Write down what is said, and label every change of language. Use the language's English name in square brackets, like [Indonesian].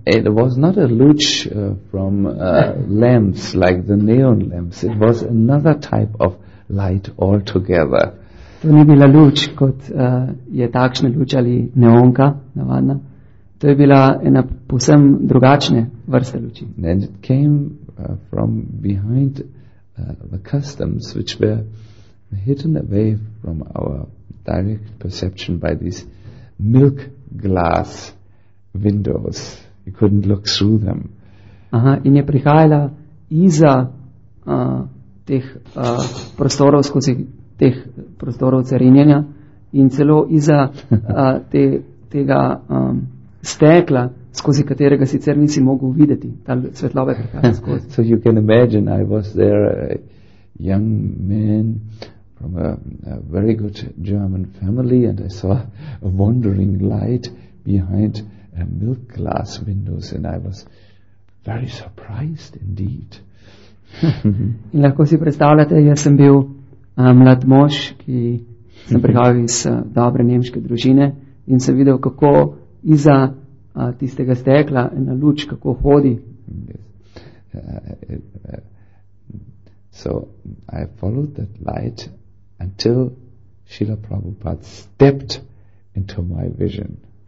[English] It was not a luč from lamps, like the neon lamps. It was another type of light altogether. [Slovenian] To ni bila luč, kot je takšna luč ali neonka, navadna. To je bila ena povsem drugačne vrste luči. [English] And it came from behind the customs, which were hidden away from our direct perception by these milk glass windows. You couldn't look through them. [Slovenian] Aha, in je prihajala iza teh prostorov, skozi teh prostorov carinjenja in celo iza tega stekla, skozi katerega sicer nisi mogel videti. Ta svetlova je prihajala skozi. [English] So you can imagine, I was there a young man from a very good German family and I saw a wandering light behind a milk glass windows and I was very surprised indeed. [Slovenian] In lahko si predstavljate, jaz sem bil mlad mož, ki sem prihajal iz dobre nemške družine in sem videl, kako iza tistega stekla ena luč, kako hodi. [English] Yes. So I followed that light until Srila Prabhupada stepped into my vision.